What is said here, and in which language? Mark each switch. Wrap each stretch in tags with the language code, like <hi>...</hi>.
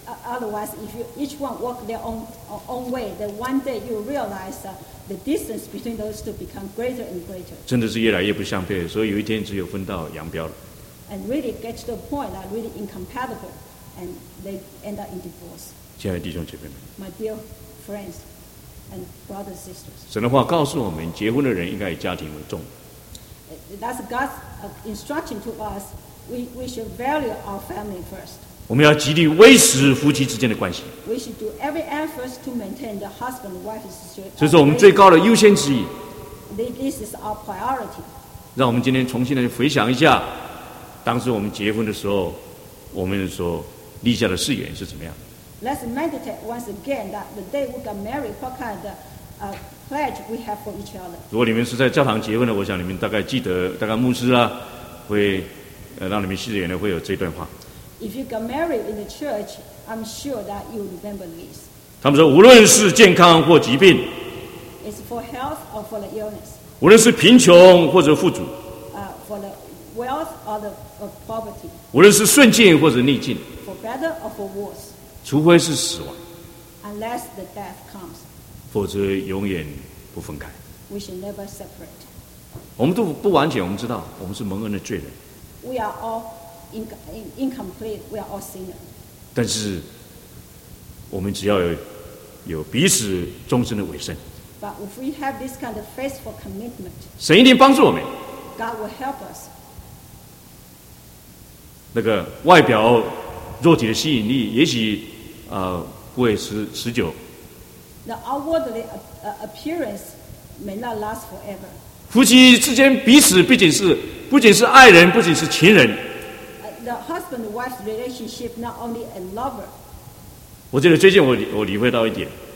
<en>otherwise, if you each one walk their own way, then one day you realize the distance between those two become greater and greater.</en> <zh>真的是越来越不相配，所以有一天只有分道扬镳了。</zh> <en>And really get to the point that really incompatible, and they end up in divorce.</en> <zh>亲爱的弟兄姐妹们</zh> <en>，My dear friends and brothers and sisters.</en> <zh>神的话告诉我们，结婚的人应该以家庭为重。</zh> <en>That's God's instruction to us. We should value our family first.</en> <zh>我们要极力维持夫妻之间的关系。</zh> <en>We should do every effort to maintain the husband and wife's situation.</en> <zh>这是我们最高的优先之一。</zh> <en>This is our priority.</en> <zh>让我们今天重新来回想一下，当时我们结婚的时候，我们所立下的誓言是怎么样。</zh> <en>Let's meditate once again that the day we got married, what kind of pledge we have for each other.</en> <zh>如果你们是在教堂结婚的，我想你们大概记得，大概牧师啊会让你们誓言的会有这段话。</zh> <en>If you got married in the church, I'm sure that you remember this.</en> <zh>他们说，无论是健康或疾病</zh> <en>，It's for health or for the illness.</en> <zh>无论是贫穷或者富足</zh> <en>for the wealth or the poverty.</en> <zh>无论是顺境或者逆境</zh> <en>for better or for worse.</en> <zh>除非是死亡</zh> <en>Unless the death comes,</en> <zh>否则永远不分开</zh> <en>we should never separate.</en> <zh>我们都不完全我们知道我们是蒙恩的罪人</zh> <en>we are all incomplete, we are all sinners.</en> <zh>但是我们只要 有彼此终身的委身</zh> <en>But if we have this kind of faithful commitment,</en> <zh>神一定帮助我们</zh> <en>God will help us.</en> <zh>那个外表肉体的吸引力也许不会持久</zh> <en>The outwardly appearance may not last forever</en> <zh>夫妻之间彼此不仅是爱人不仅是情人</zh> <en>The husband and wife's relationship not only a lover</en> <zh>我觉得最近我理会到一点</zh>